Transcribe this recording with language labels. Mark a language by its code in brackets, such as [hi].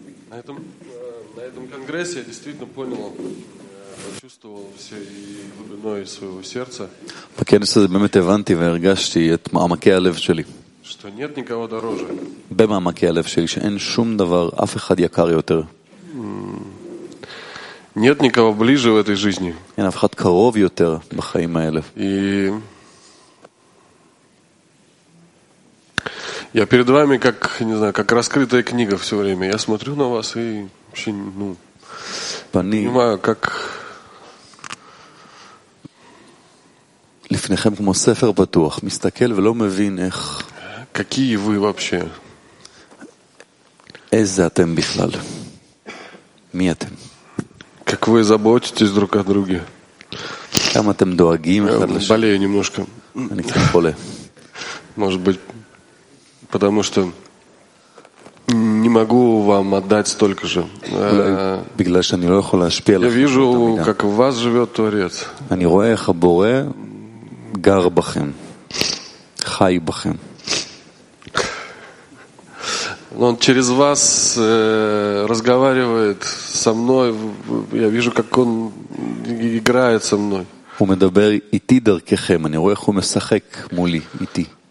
[ru] На этом конгрессе я действительно понял, почувствовал все и глубиной своего сердца. [he] בכנס הזה באמת הבנתי והרגשתי את מעמקי הלב שלי. [ru] Что нет никого дороже. [he] במעמקי הלב שלי שאין שום דבר אף אחד יקר יותר. [ru] Нет никого ближе в этой жизни. [he] אין אף אחד קרוב יותר בחיים האלה. [ru] И я перед вами как, не знаю, как раскрытая книга всё время. Я смотрю на вас и вообще, ну, понимаю, как [he] לפניכם כמו ספר פתוח, מסתכל ולא מבין איך [ru] какие вы вообще? [he] איזה אתם בכלל? מי אתם? [ru] Как вы заботитесь друг о друге? [he] Там אתם דואגים אחד לשני. [ru] Болею немножко. [he] אני קצת חולה. [ru] Может быть, потому что не могу вам отдать столько же. [he] בגלל שאני לא יכול להשפיע לכם. [ru] Я вижу, как в вас живёт Творец. [he] אני רואה איך הבורא גר בכם. חי בכם. [ru] Он через вас разговаривает со мной. Я вижу, как он играет со мной. [he] הוא מדבר איתי דרככם. אני רואה איך הוא משחק מולי, איתי.